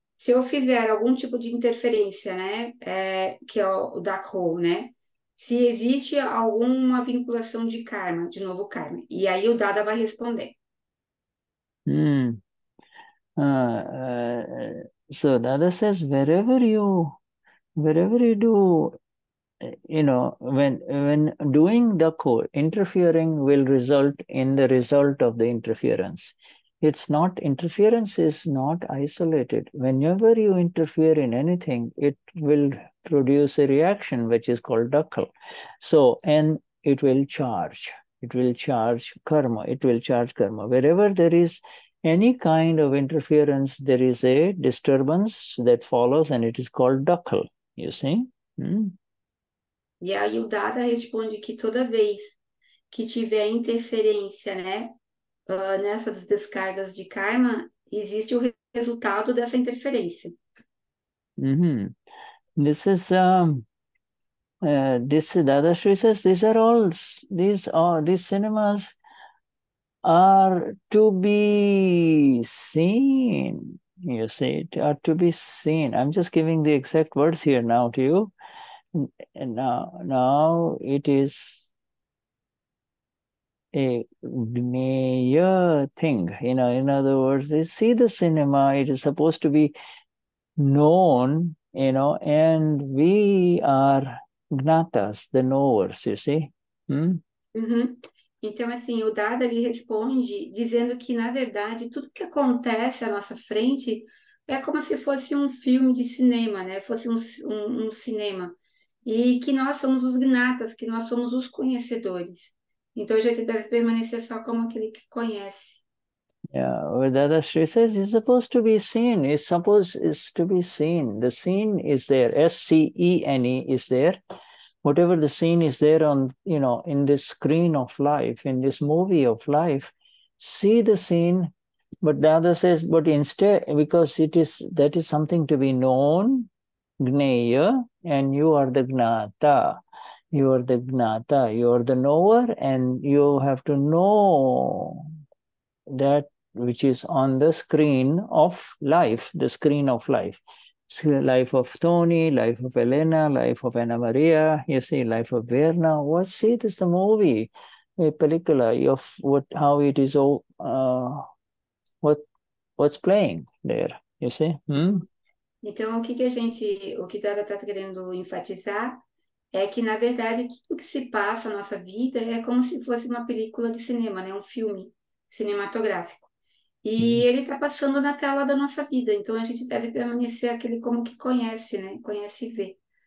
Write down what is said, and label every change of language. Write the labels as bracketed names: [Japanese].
[Portuguese] Se eu fizer algum tipo de interferência, né, que é o dakho, né, se existe alguma vinculação de karma, de novo karma, e aí o Dada vai responder. [English] So Dada says, wherever you do, you know, when doing dakho, interfering will result in the result of the interference. It's not, interference is not isolated. Whenever you interfere in anything, it will produce a reaction, which is called dakkal. So, and it will charge karma. Wherever there is any kind of interference, there is a disturbance that follows, and it is called dakkal. You see? [Portuguese] E aí o Dada responde que toda vez que tiver interferência, né, nessas descargas de karma, existe o resultado dessa interferência. Mm-hmm. [English] This is this Dada Shri says, these cinemas are to be seen. You see, are to be seen. I'm just giving the exact words here now to you. And now it is a major thing, you know. In other words, they see the cinema. It is supposed to be known, you know, and we are gnatas, the knowers, you see? [Portuguese] Então, assim, o Dada, ele responde dizendo que, na verdade, tudo que acontece à nossa frente é como se fosse um filme de cinema, né? Fosse um cinema. E que nós somos os gnatas, que nós somos os conhecedores. Então, a gente deve permanecer só como aquele que conhece. [English] Yeah, well, Dada Shri says it's supposed to be seen. It's supposed it's to be seen. The seen is there. S-C-E-N-E is there. Whatever the scene is there on, you know, in this screen of life, in this movie of life, see the scene. But Dada says, but instead, because it is, that is something to be known, gneya, and you are the gnata. You are the gnata. You are the knower, and you have to know that which is on the screen of life, the screen of life. Life of Tony, life of Elena, life of Anna Maria, you see, life of Verna. What see, this is a movie, a película of what, how it is all, what's playing there, you see? [Portuguese] Então, o que, que a gente, o que Dada está querendo enfatizar é que, na verdade, tudo que se passa na nossa vida é como se fosse uma película de cinema, né? Um filme cinematográfico. E ele está passando na tela da nossa vida, então a gente deve permanecer aquele como que conhece, né? Conhece e vê.